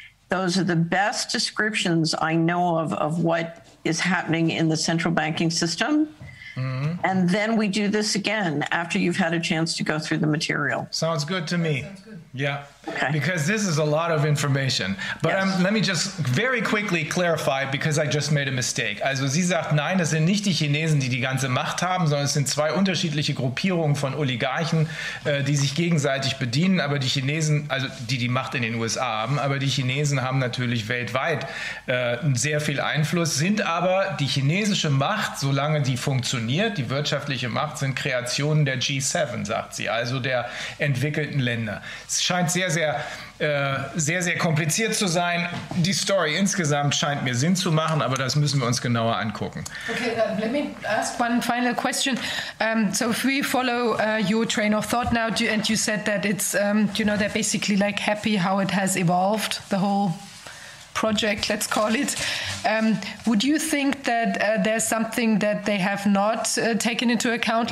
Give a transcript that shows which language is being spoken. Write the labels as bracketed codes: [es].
[en] Those are the best descriptions I know of what is happening in the central banking system. Mm-hmm. And then we do this again after you've had a chance to go through the material. Sounds good to me. Good. Yeah. Okay. Because this is a lot of information. But yes. Let me just very quickly clarify, because I just made a mistake. [de] Also sie sagt, nein, das sind nicht die Chinesen, die die ganze Macht haben, sondern es sind zwei unterschiedliche Gruppierungen von Oligarchen, die sich gegenseitig bedienen, aber die Chinesen, also die Macht in den USA haben, aber die Chinesen haben natürlich weltweit sehr viel Einfluss, sind aber die chinesische Macht, solange die funktioniert, die wirtschaftliche Macht, sind Kreationen der G7, sagt sie, also der entwickelten Länder. Es scheint sehr, sehr, sehr, sehr kompliziert zu sein. Die Story insgesamt scheint mir Sinn zu machen, aber das müssen wir uns genauer angucken. [en] Okay, let me ask one final question. So if we follow your train of thought now, and you said that it's, they're basically like happy how it has evolved, the whole project, let's call it. Would you think that there's something that they have not taken into account?